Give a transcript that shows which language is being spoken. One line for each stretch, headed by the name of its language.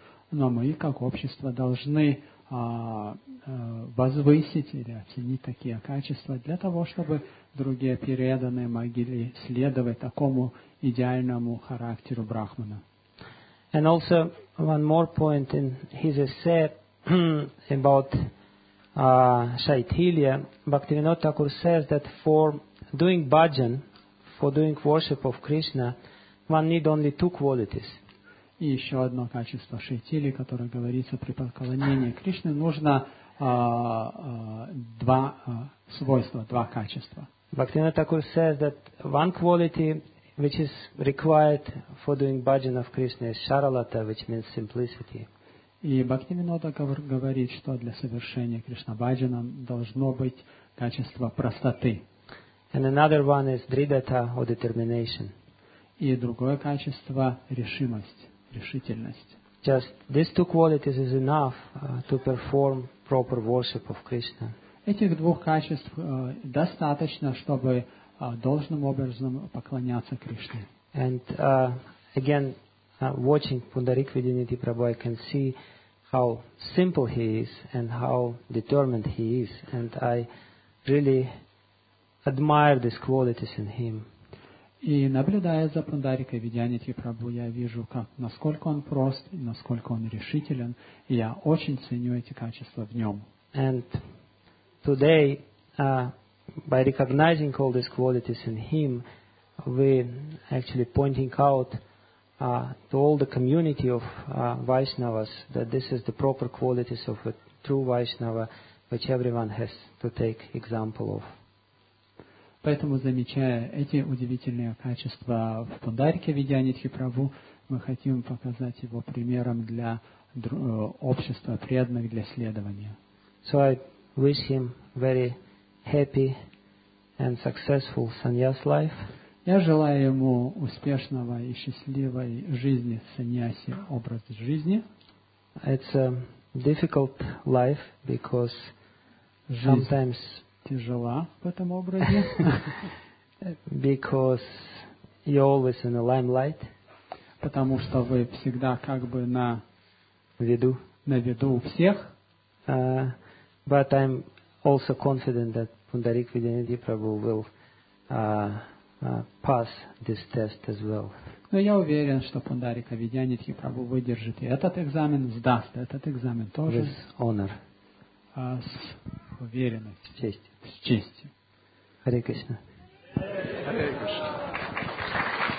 Russian: Но мы, как общество, должны возвысить или оценить такие качества для того, чтобы другие преданные могли следовать такому идеальному характеру Брахмана.
English: And also one more point in his essay about Shaithilya. Bhaktivinoda Thakur says that for doing bhajan, for doing worship of Krishna, one need only two qualities.
Russian: И еще одно качество Шайтили, которое говорится при поклонении Кришне, нужно свойства, два качества.
English: Bhaktivinoda Thakur says that one quality which is required for doing bhajan of Krishna is sharalata, which means simplicity.
Russian: И Бхактивинода говорит, что для совершения Кришнабхаджана должно быть качество простоты.
English: And another one is dridata or determination.
Russian: И другое качество – решимость, решительность.
English: Just these two qualities is enough to perform proper worship of Krishna.
Russian: Этих двух качеств достаточно, чтобы должным образом поклоняться Кришне.
English: And again, watching Pundarika Vidyaniki Prabhu, I can see how simple he is and how determined he is, and I really admire these qualities in him.
Russian: И наблюдая за Пундарикой Видьяники Прабху, я вижу, как насколько он прост, насколько он решителен, и я очень ценю эти качества в нем.
English: And today, by recognizing all these qualities in him, we actually pointing out to all the community of Vaishnavas that this is the proper qualities of a true Vaishnava which everyone has to take example of.
Russian: Поэтому, замечая эти удивительные качества в Пундарике Видьяники Прабху, мы хотим показать его примером для общества преданных для следования.
English: So I wish him very happy and successful sannyas life.
Russian: Я желаю ему успешного и счастливой жизни, саньяси, образ жизни.
English: It's a difficult life because sometimes
Russian: тяжела в этом образе.
English: Because you're always in the limelight.
Russian: Потому что вы всегда как бы на виду. На виду у всех.
English: But I'm also confident that Pundarika Vidyaniki Prabhu will pass this test as well.
Russian: Но я уверен, что Пундарика Видьяники Прабху выдержит и этот экзамен, сдаст этот экзамен тоже.
English: With honor.
Russian: С уверенностью. С честью. С честью. Харе Кришна. Харе Кришна.